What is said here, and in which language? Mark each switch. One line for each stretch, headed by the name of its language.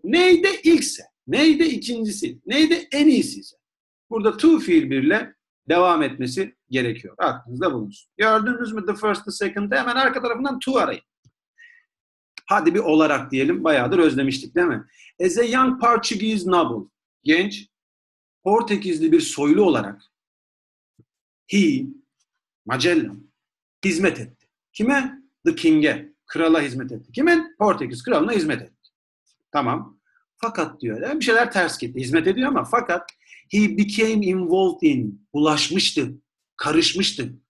Turkish: Neyde ilkse, neyde ikincisi, neyde en iyisi ise. Burada to fiil bir ile devam etmesi gerekiyor. Aklınızda bulunsun. Gördünüz mü
English: the first, the second'ı
Turkish: hemen arka tarafından to arayın. Hadi bir olarak diyelim. Bayağıdır özlemiştik değil mi?
English: As a young Portuguese noble.
Turkish: Genç, Portekizli bir soylu olarak he, Magellan, hizmet etti. Kime?
English: The King'e,
Turkish: krala hizmet etti. Kime? Portekiz kralına hizmet etti. Tamam. Fakat diyor, bir şeyler ters gitti. Hizmet ediyor ama fakat
English: he became involved in,
Turkish: bulaşmıştı, karışmıştı.